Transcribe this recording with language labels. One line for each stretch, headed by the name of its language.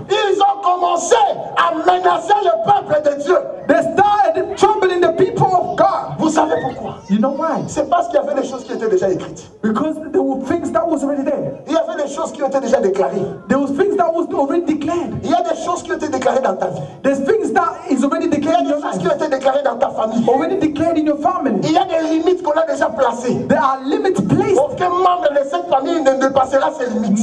French: Ils ont commencé à menacer le peuple de Dieu.
English: They started troubling the people of God.
French: Vous savez pourquoi?
English: You know why?
French: C'est parce qu'il y avait des choses qui étaient déjà écrites.
English: Because there were things that was already there.
French: Il y avait des choses qui étaient déjà déclarées.
English: There were things that was already declared.
French: Il y a des choses qui étaient déclarées dans ta vie.
English: There's things that is already declared.
French: Il y a des choses qui étaient déclarées dans ta famille.
English: Already declared in your family.
French: Il y a des limites qu'on a déjà placées.
English: There are limits placed.
French: Aucun membre de cette famille ne dépassera ces limites.